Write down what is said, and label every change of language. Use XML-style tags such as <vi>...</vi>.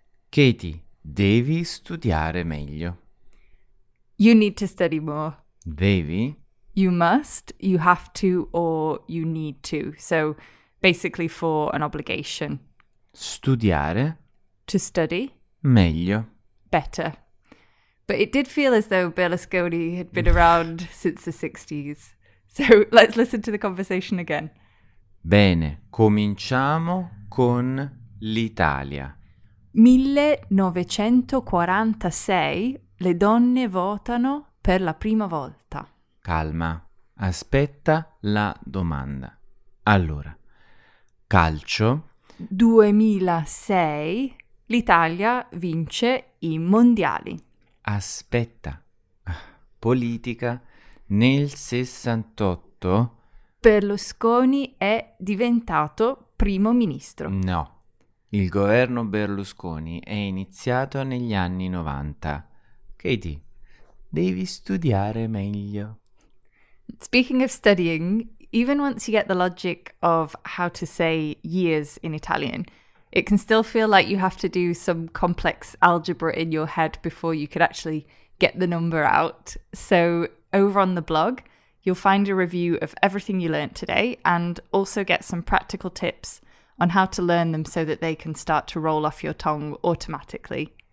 <it>Katie, devi studiare meglio.</it> <en>You need to study more.</en> <it>Devi.</it> <en>You must, you have to, or you need to. So basically for an obligation.</en> <it>Studiare.</it> <en>To study.</en> <it>Meglio.</it> <en>Better. But it did feel as though Berlusconi had been around since the 60s. So let's listen to the conversation again.</en> <it>Bene, cominciamo con l'Italia. 1946, le donne votano per la prima volta. Calma, aspetta la domanda. Allora, calcio. 2006, l'Italia vince i mondiali. Aspetta, politica. Nel 68... Berlusconi è diventato primo ministro. No, il governo Berlusconi è iniziato negli anni 90. Katie, devi studiare meglio.</it> <en>Speaking of studying, even once you get the logic of how to say years in Italian, it can still feel like you have to do some complex algebra in your head before you could actually get the number out. So over on the blog, you'll find a review of everything you learned today and also get some practical tips on how to learn them so that they can start to roll off your tongue automatically.</en>